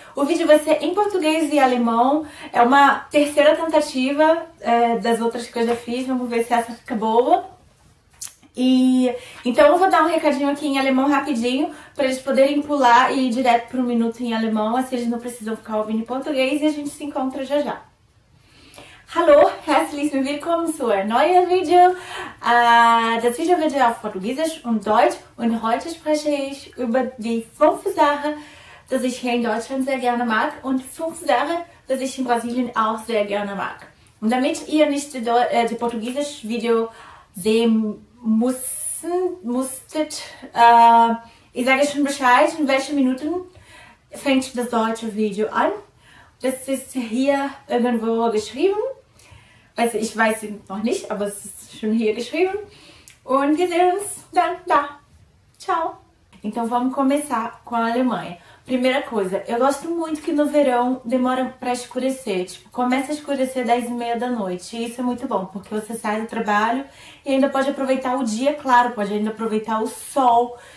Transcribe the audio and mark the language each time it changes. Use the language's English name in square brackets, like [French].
[Portuguese] O vídeo vai ser em português e alemão, é uma terceira tentativa das outras que eu já fiz, vamos ver se essa fica boa. Então eu vou dar um recadinho aqui em alemão rapidinho, para eles poderem pular e ir direto para um minuto em alemão, assim eles não precisam ficar ouvindo em português e a gente se encontra já já. [German] Hallo, herzlich willkommen zu einem neuen Video. Das Video wird ja auf Portugiesisch und Deutsch und heute spreche ich über die 5 Sachen, die ich hier in Deutschland sehr gerne mag und 5 Sachen, die ich in Brasilien auch sehr gerne mag. Und damit ihr nicht das Portugiesisch Video sehen musstet, ich sage schon Bescheid, in welchen Minuten fängt das deutsche Video an. Das ist hier irgendwo geschrieben. Also ich weiß noch nicht, aber es ist schon hier geschrieben. Und wir sehen uns dann da. Ciao. [Portuguese] Então vamos começar com a Alemanha. Primeira coisa, eu gosto muito que no verão demora para escurecer. Tipo, começa a escurecer 10h30 da noite. E isso é muito bom, porque você sai do trabalho e ainda pode aproveitar o dia, claro, pode ainda aproveitar o sol.